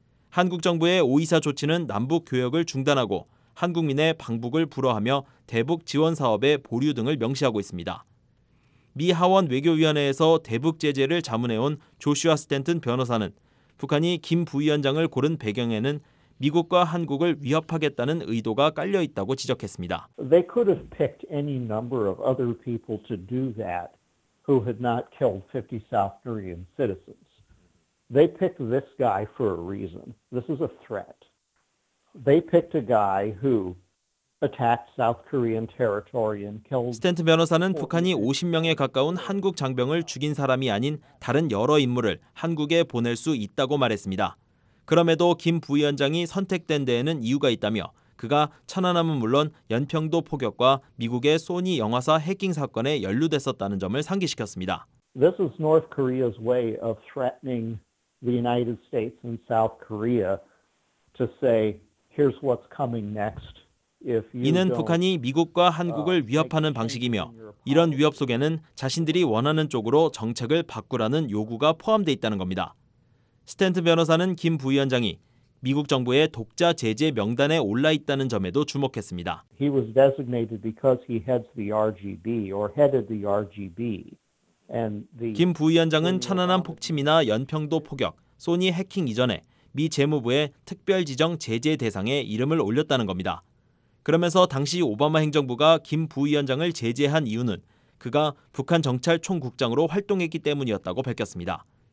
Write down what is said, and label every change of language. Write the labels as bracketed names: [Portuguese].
[Korean] 한국 정부의 5.24 조치는 남북 교역을 중단하고 한국민의 방북을 불허하며 대북 지원 사업의 보류 등을 명시하고 있습니다. 미 하원 외교위원회에서 대북 제재를 자문해온 조슈아 스탠튼 변호사는 북한이 김 부위원장을 고른 배경에는 미국과 한국을 위협하겠다는 의도가 깔려 있다고 지적했습니다. [English] They could have picked any number of other people to do that who had not killed 50 South Korean citizens. They picked this guy for a reason. This is a threat. They picked a guy who attacked South Korean territory and killed [Korean] 스탠튼 변호사는 북한이 50명에 가까운 한국 장병을 죽인 사람이 아닌 다른 여러 인물을 한국에 보낼 수 있다고 말했습니다. 그럼에도 김 부위원장이 선택된 데에는 이유가 있다며 그가 천안함은 물론 연평도 폭격과 미국의 소니 영화사 해킹 사건에 연루됐었다는 점을 상기시켰습니다. [English] This is North Korea's way of threatening the United States and South Korea to say here's what's coming next. [Korean] 이는 북한이 미국과 한국을 위협하는 방식이며 이런 위협 속에는 자신들이 원하는 쪽으로 정책을 바꾸라는 요구가 포함돼 있다는 겁니다. 스탠튼 변호사는 김 부위원장이 미국 정부의 독자 제재 명단에 올라 있다는 점에도 주목했습니다. [English] He was designated because he heads the RGB or headed the RGB. [Korean] 김 부위원장은 천안함 폭침이나 연평도 폭격, 소니 해킹 이전에 미 재무부의 특별 지정 제재 대상에 이름을 올렸다는 겁니다. 그러면서 당시 오바마 행정부가 김 부위원장을 제재한 이유는 그가 북한 정찰 총국장으로 활동했기 때문이었다고 밝혔습니다.